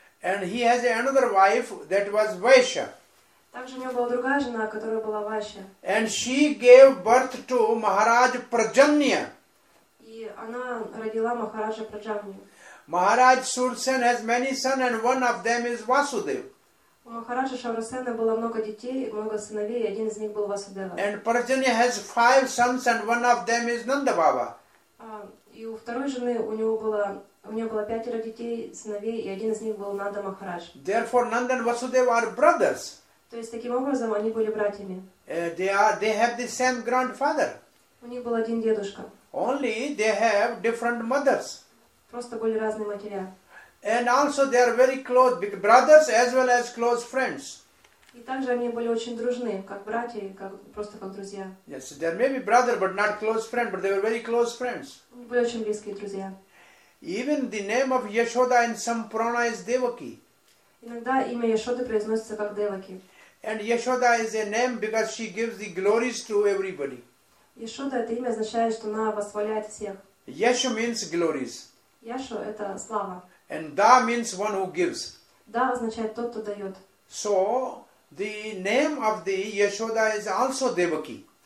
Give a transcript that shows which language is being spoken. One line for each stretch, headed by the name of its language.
English: And he has another wife that was Вайша.
Russian: Также у него была другая жена, которая была Ваша.
English: And she gave birth to Maharaj Prajanya.
Russian: И она родила Махараджа Праджанью.
English: Maharaj Surasen has many sons and one of them is Vasudev.
Russian: У Махараджа Шаврасена было много детей, много сыновей, один из них был Васудева.
English: And Prajanya has five sons and one of them is Nanda Baba.
Russian: И у второй жены у него было пятеро детей, сыновей, и один из них был Нанда Махарадж.
English: Therefore, Nanda and Vasudev are brothers.
Russian: То есть таким образом они были братьями.
English: They have the same grandfather.
Russian: У них был один дедушка.
English: Only they have different mothers.
Russian: Просто были разные матери.
English: And also they are very close brothers as well as close friends.
Russian: И также они были очень дружны, как братья, как друзья.
English: Yes, they are maybe brother, but not close friend, but they were very close friends.
Russian: Были очень близкие друзья.
English: Even the name of Yashoda in some Purana is Devaki.
Russian: Иногда имя Яшоды произносится как Деваки.
English: And Yashoda is a name because she gives the glories to everybody.
Russian: Яшода это имя означает, что она восхваляет всех.
English: Яшо means glories.
Russian: Яшо это слава.
English: And Да means one who gives.
Russian: Да означает тот, кто дает.
English: So the name of the Yashoda is also Devaki.